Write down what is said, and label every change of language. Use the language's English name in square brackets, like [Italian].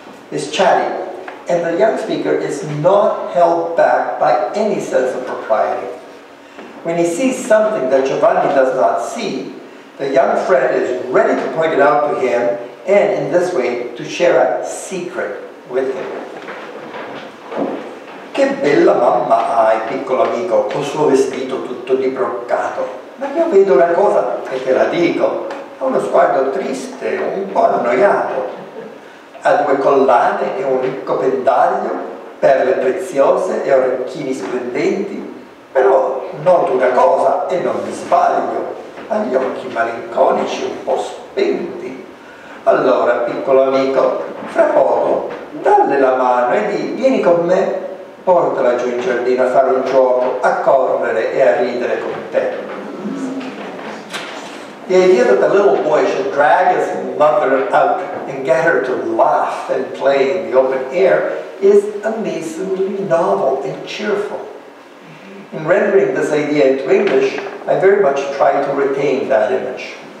[English] Is chatty, and the young speaker is not held back by any sense of propriety. When he sees something that Giovanni does not see, the young friend is ready to point it out to him, and in this way, to share a secret with him. [Italian] Che bella mamma hai, piccolo amico, col suo vestito tutto di broccato. Ma io vedo una cosa, e te la dico, ha uno sguardo triste, un po' annoiato. Ha due collane e un ricco pendaglio, perle preziose e orecchini splendenti, però noto una cosa e non mi sbaglio, ha gli occhi malinconici un po' spenti. Allora, piccolo amico, fra poco, dalle la mano e di vieni con me, portala giù in giardino a fare un gioco, a correre e a ridere con te. [English] The idea that the little boy should drag his mother out and get her to laugh and play in the open air is amazingly novel and cheerful. In rendering this idea into English, I very much try to retain that image.